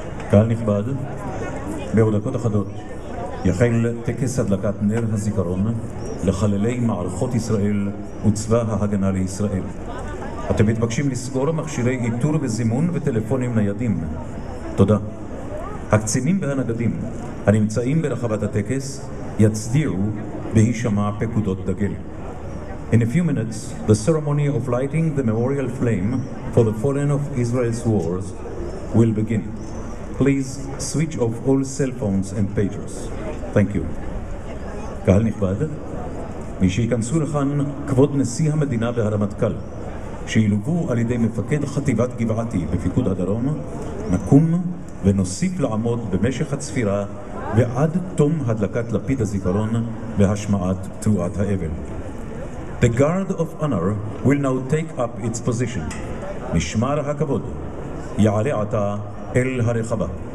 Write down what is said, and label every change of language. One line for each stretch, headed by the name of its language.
Hebrew: קהל נכבד, בעוד דקות אחדות יחל טקס הדלקת נר הזיכרון לחללי מערכות ישראל וצבא ההגנה לישראל. אתם מתבקשים לסגור מכשירי איתור וזימון וטלפונים ניידים. תודה. הקצינים והנגדים הנמצאים ברחבת הטקס יצדיעו בהישמע פקודות דגל.
English: In a few minutes, the ceremony of lighting the memorial flame for the fallen of Israel's wars will begin. Please switch off all cell phones and pagers. Thank you.
Hebrew: קהל נכבד, מי שיכנסו לכאן, כבוד נשיא המדינה והרמטכ"ל, שילובו על ידי מפקד חטיבת גבעתי בפיקוד הדרום, נקום ונוסיף לעמוד במשך הצפירה ועד תום הדלקת לפיד הזיכרון והשמעת תרועת האבל.
English: The guard of honor will now take up its position.
Hebrew: משמר הכבוד יעלה עתה אל הרחבה.